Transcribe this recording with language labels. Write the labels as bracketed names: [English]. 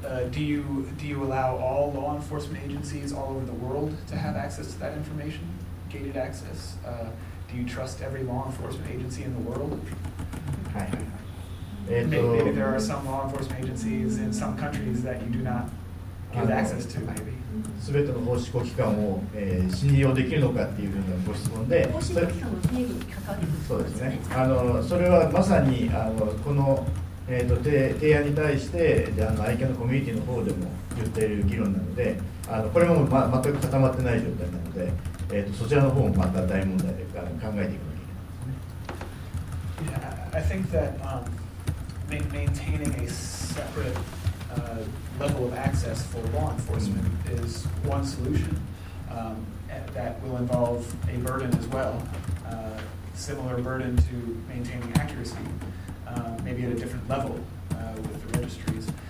[English] Do you allow all law enforcement agencies all over the world to have access to that information? Gated access? Do you trust every law enforcement agency in the world? Maybe there are some law enforcement agencies in some countries that you do not give access to, maybe. [Japanese] すべての法執行機関を、信用できるのかっていうようなご質問で、法執行機関の定義に関わってくる。そうですね。それはまさにこの、提案に対して、愛犬のコミュニティの方でも言っている議論なので、これも全く固まってない状態なので、そちらの方もまた大問題で考えていくわけですね。 [English] Yeah, I think that maintaining a separate level of access for law enforcement is one solution that will involve a burden as well, similar burden to maintaining accuracy, maybe at a different level with the registries.